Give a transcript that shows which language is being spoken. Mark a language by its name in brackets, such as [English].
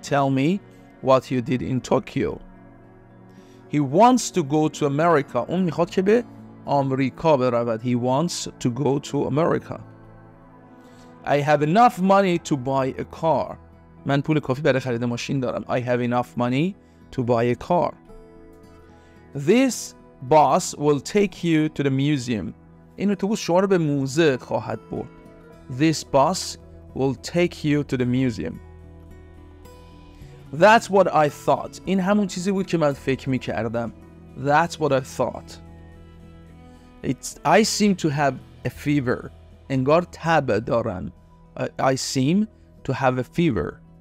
[English] Tell me what you did in Tokyo. He wants to go to America. [Persian] اون میخواد که به آمریکا برود. [English] He wants to go to America. I have enough money to buy a car. [Persian] من پول کافی برای خرید ماشین دارم. [English] I have enough money to buy a car. This bus will take you to the museum. [Persian] این اتوبوس شما رو به موزه خواهد برد. [English] This bus will take you to the museum. That's what I thought. [Persian] این همون چیزی بود که من فکر می‌کردم. [English] That's what I thought. I seem to have a fever. [Persian] انگار تب دارم. [English] I seem to have a fever.